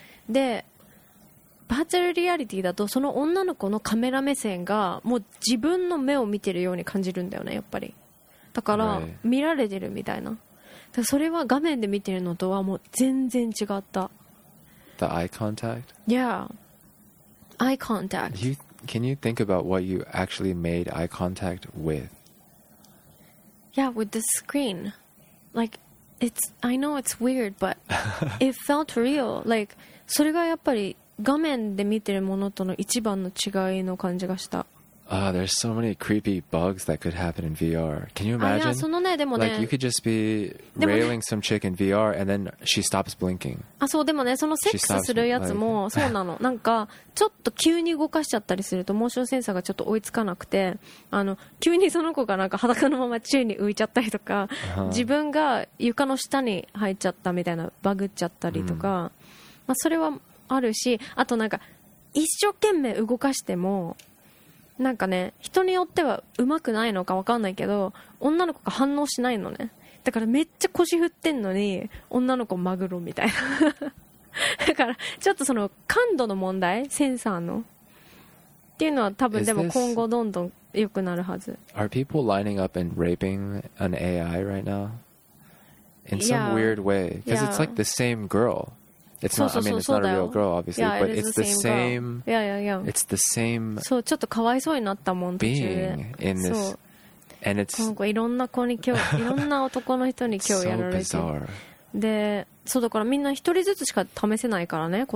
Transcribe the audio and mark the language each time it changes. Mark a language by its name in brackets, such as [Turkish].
[Japanese] でバーチャルリアリティだとその女の子のカメラ目線がもう自分の目を見てるように感じるんだよね、やっぱり。だから見られてるみたいな、だそれは画面で見てるのとはもう全然違った。 [English] The eye contact? Yeah, eye contact. Can you think about what you actually made eye contact with? Yeah, with the screen. Like, it's, I know it's weird, but it felt real. [Japanese] Like, それがやっぱり画面で見てるものとの一番の違いの感じがした。 [English] Oh, there's so many creepy bugs that could happen in VR. Can you imagine? [Japanese] いや、そのね、でもね、 [English] like, you could just be railing some chick in VR and then she stops blinking. [Japanese] あ、そう、でもね、そのセックスするやつもそうなの。なんか、ちょっと急に動かしちゃったりすると、モーションセンサーがちょっと追いつかなくて、急にその子がなんか裸のまま宙に浮いちゃったりとか、自分が床の下に入っちゃったみたいな、バグっちゃったりとか、まあ、それはあるし、あとなんか、一生懸命動かしても、なんかね、人によっては上手くないのか分かんないけど、女の子が反応しないのね。だからめっちゃ腰振ってんのに女の子マグロみたいな。だからちょっとその感度の問題、センサーのっていうのは多分でも今後どんどん良くなるはず。 [English] Are people lining up and raping an AI right now? In some weird way. Because it's like the same girl. It's not, [Japanese] そうそうそう、 [English] I mean, it's not a real girl, obviously, yeah, but it's the same, same yeah, yeah, yeah. It's the same. [Japanese] そう、ちょっとかわいそうになったもん、 [English] being in this. And it's [Japanese] なんかいろんな子に興、いろんな男の人に興やられて。 [English] so bizarre. [Japanese] で、そうだからみんな一人ずつしか試せないからね。